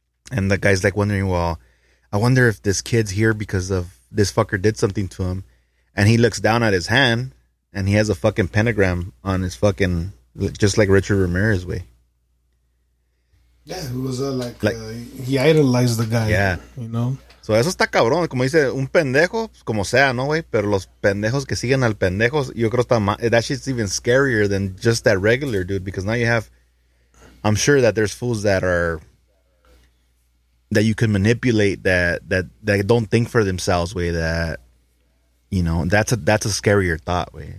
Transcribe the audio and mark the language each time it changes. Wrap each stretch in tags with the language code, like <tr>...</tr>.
<en>And the guy's like wondering, well, I wonder if this kid's here because of this fucker did something to him. And he looks down at his hand and he has a fucking pentagram on his fucking, just like Richard Ramirez way. Yeah, it was like he idolized the guy. Yeah. You know?</en> <es>So eso está cabrón. Como dice, un pendejo, como sea, no, güey. Pero los pendejos que siguen al pendejo, yo creo</es> <en>that shit's even scarier than just that regular dude, because now you have, I'm sure that there's fools that you can manipulate that don't think for themselves way, that, you know, that's a scarier thought way.</en>